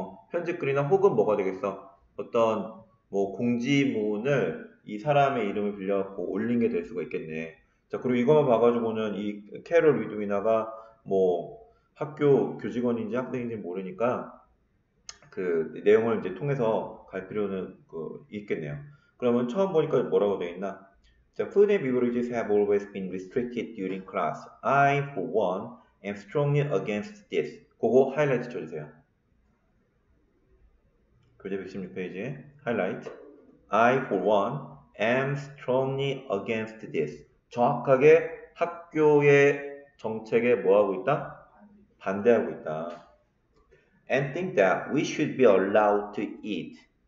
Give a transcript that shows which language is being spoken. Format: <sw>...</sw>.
<ko>편집글이나 혹은 뭐가 되겠어? 어떤 뭐 공지문을 이 사람의 이름을 빌려갖고 올린 게 될 수가 있겠네. 자, 그리고 이것만 봐가지고는 이 캐롤 리드위나가 뭐 학교 교직원인지 학생인지 모르니까 그 내용을 이제 통해서 갈 필요는 있겠네요. 그러면 처음 보니까 뭐라고 되어 있나?</ko> <en>The food and beverages have always been restricted during class. I, for one, am strongly against this.</en> <ko>그거 하이라이트 쳐주세요. 교재 116페이지에 하이라이트.</ko> <en>I, for one, am strongly against this.</en> <ko>정확하게 학교의 정책에 뭐하고 있다? 반대하고 있다.</ko> <en>And think that we should be allowed to eat.</en>